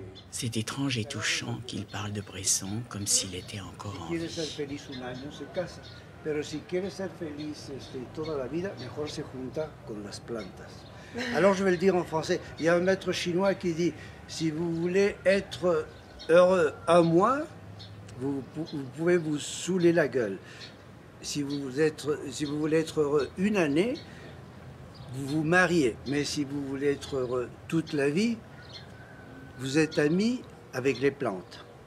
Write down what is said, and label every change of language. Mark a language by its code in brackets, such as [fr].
[fr] C'est étrange et touchant qu'il parle de Bresson comme s'il était encore en vie. [es] Si quieres ser feliz un año se casa, pero si quieres ser feliz toda la vida, mejor se junta con las plantas. [fr] Alors je vais le dire en français. Il y a un maître chinois qui dit, si vous voulez être heureux un mois, vous pouvez vous saouler la gueule. Si vous voulez être heureux une année, vous vous mariez. Mais si vous voulez être heureux toute la vie, vous êtes amis avec les plantes.